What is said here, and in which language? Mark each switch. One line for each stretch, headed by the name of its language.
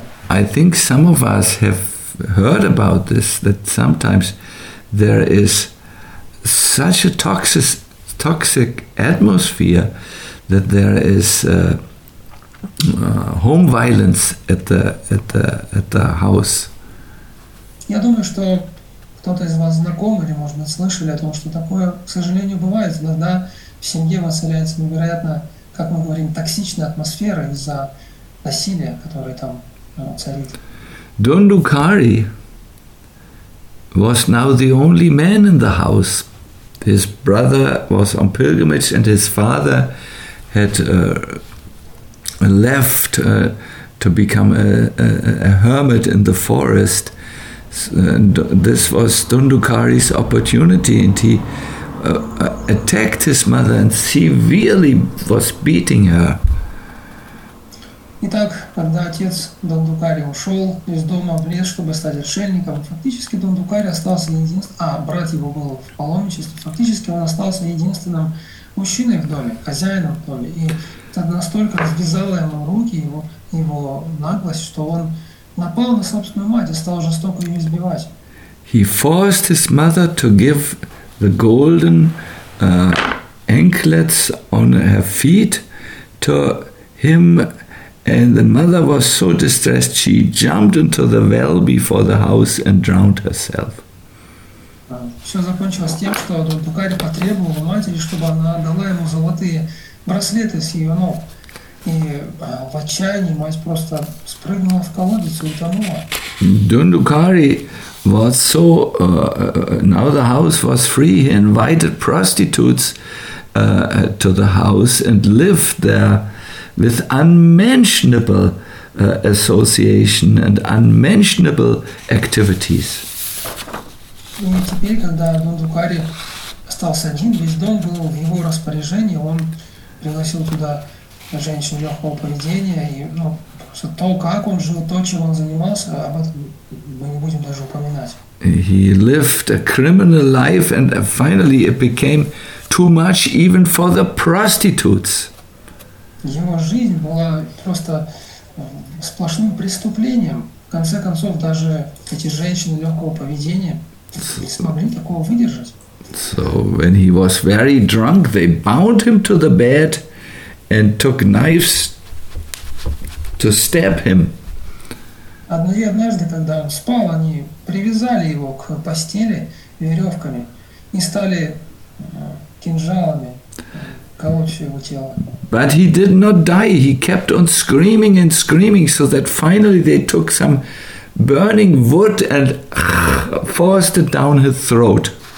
English: I think some of us have heard about this, that sometimes there is such a toxic atmosphere that there is home violence at the house.
Russian: Я думаю, что кто-то из вас знаком или, может быть, слышали о том, что такое, к сожалению, бывает, когда в семье воцаряется невероятно, как мы говорим, токсичная атмосфера из-за насилия, которое там царит.
English: Dundukari was now the only man in the house. His brother was on pilgrimage and his father had left to become a hermit in the forest. And this was Dundukari's opportunity, and he attacked his mother and severely was beating her.
Russian: Итак, когда отец Дундукари ушел из дома в лес, чтобы стать отшельником, фактически Дундукари остался единственным, а брат его был в паломничестве, фактически он остался единственным мужчиной в доме, хозяином в доме, и это настолько развязало ему руки, его наглость, что он напал на собственную мать и стал жестоко ее избивать.
English: He forced his mother to give the golden anklets on her feet to him, and the mother was so distressed she jumped into the well before the house and drowned herself.
Russian: Все закончилось тем, что Дундукари потребовал у матери, чтобы она дала ему золотые браслеты с ее ног. И в отчаянии мать просто спрыгнула в колодец и утонула.
English: Dundukari was so... Now the house was free. He invited prostitutes to the house and lived there with unmentionable association and unmentionable activities.
Russian: И теперь, когда Дундукари остался один, весь дом был в его распоряжении, он пригласил туда женщин легкого поведения, и то, как он жил, то, чем он занимался, об этом мы не будем даже упоминать.
English: He lived a criminal life, and finally it became too much even for the prostitutes.
Russian: Его жизнь была просто сплошным преступлением. В конце концов, даже эти женщины легкого поведения не смогли такого выдержать.
English: So when he was very drunk, they bound him to the bed and took knives to stab him.
Russian: Однажды, когда он спал, они привязали его к постели веревками и стали кинжалами колоть его тело.
English: But he did not die. He kept on screaming and screaming, so that finally they took some burning wood and forced it down his throat.